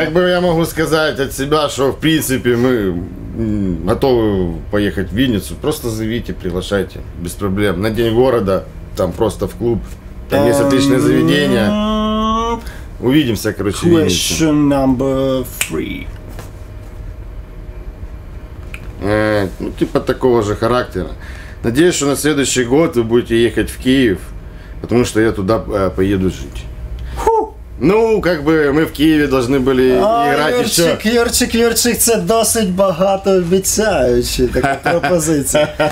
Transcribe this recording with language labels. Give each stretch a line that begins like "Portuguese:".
Ukrainian: Як би я можу сказати від себе, що в принципі ми готові поїхати в Вінницю, просто зовіть,
Russian: приглашайте,
Ukrainian: без проблем. На День міста, там просто в клуб, там є отличне заведення.
Russian: Увидимся, короче, в Вінниці.
English: Question number three.
Russian: Ну, типа такого же характера. Надеюсь,
Ukrainian: що на
Russian: следующий год
Ukrainian: ви будете їхати в Київ, тому що я туди поїду жити.
Russian: Ну, как бы мы в Киеве должны были играть Юрчик, еще.
Ukrainian: Юрчик, Юрчик, Юрчик,
Russian: это достаточно
Ukrainian: багатообіцяюча така пропозиція.